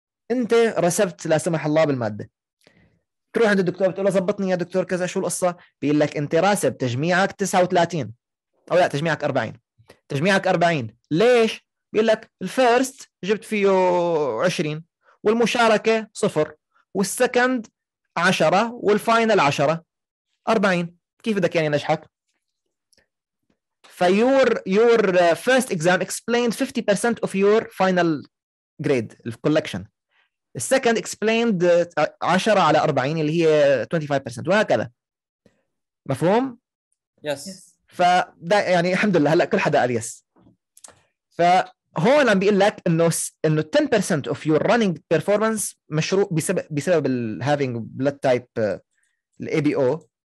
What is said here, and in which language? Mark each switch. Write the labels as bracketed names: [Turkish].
[Arabic] أنت رسبت لا سمح الله بالمادة، تروح عند الدكتور بتقول له زبطني يا دكتور كذا شو القصة، بيقول لك أنت راسب تجميعك 39 أو لا تجميعك 40. تجميعك 40 ليش؟ بيقول لك الفيرست جبت فيه 20 والمشاركة 0 والسكند 10 والفاينل 10 40. كيف بدك يعني نجحك؟ [English] Your first exam explained 50% of your final grade, the collection. The second explained 10 [Arabic] على 40 اللي هي [English] 25% وهكذا. [Arabic] مفهوم؟ [English] Yes. [Arabic] فده يعني الحمد لله هلأ كل حدا قال [English] yes. [Arabic] فهون عم بيقول لك إنه [English] 10% of your running performance [Arabic] مشروع بسبب ال [English] having blood type [Arabic] ال ABO.